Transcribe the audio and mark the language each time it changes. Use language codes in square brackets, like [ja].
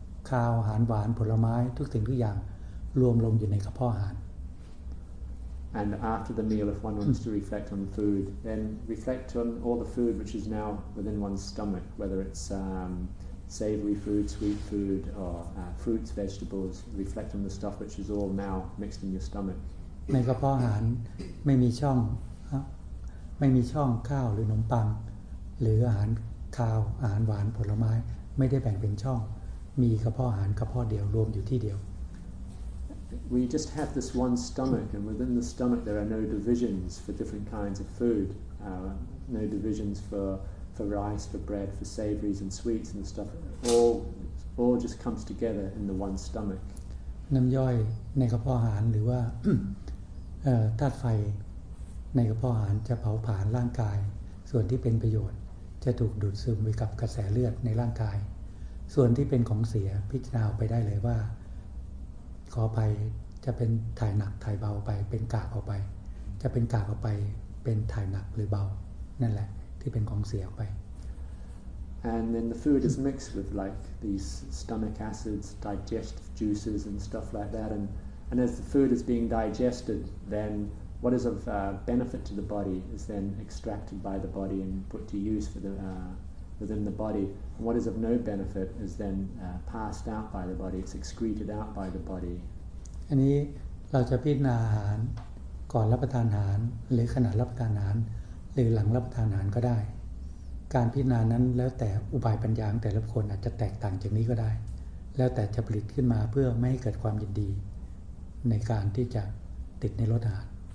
[th] ข้าวอาหารหวานผลไม้ทุกสิ่งทุกอย่างรวมลงอยู่ในกระเพาะอาหาร [en] And after the meal, if one wants to reflect on food, then reflect on all the food which is now within one's stomach, whether it's savory food, sweet food, or fruits, vegetables. Reflect on the stuff which is all now mixed in your stomach. [th] ในกระเพาะอาหารไม่มีช่องไม่มีช่องข้าวหรือขนมปังหรืออาหารคาวอาหารหวานผลไม้ไม่ได้แบ่งเป็นช่องมีกระเพาะอาหารกระเพาะเดียวรวมอยู่ที่เดียว [en] We just have this one stomach, and within the stomach there are no divisions for different kinds of food. No divisions for rice, for bread, for savories and sweets and stuff. All just comes together in the one stomach. [th] น้ำย่อยในกระเพาะอาหารหรือว่าธาตุไฟในกระเพาะอาหารจะเผาผลาญร่างกายส่วนที่เป็นประโยชน์จะถูกดูดซึมไปกับกระแสเลือดในร่างกายส่วนที่เป็นของเสียพิจารณาไปได้เลยว่าขอไปจะเป็นถ่ายหนักถ่ายเบาไปเป็นกากออกไปจะเป็นกากออกไปเป็นถ่ายหนักหรือเบานั่นแหละที่เป็นของเสียไป [en] And then the food is mixed with like these stomach acids, digestive juices and stuff like that and as the food is being digested thenWhat is of benefit to the body is then extracted by the body and put to use for the within the body. And what is of no benefit is then passed out by the body. It's excreted out by the body. [th] อันนี้เราจะพิจารณาอาหารก่อนรับประทานอาหารหรือขณะรับประทานอาหารหรือหลังรับประทานอาหารก็ได้การพิจารณานั้นแล้วแต่อุบายปัญญาของแต่ละคนอาจจะแตกต่างจากนี้ก็ได้แล้วแต่จะผลิตขึ้นมาเพื่อไม่ให้เกิดความยินดีในการที่จะติดในรสอาหาร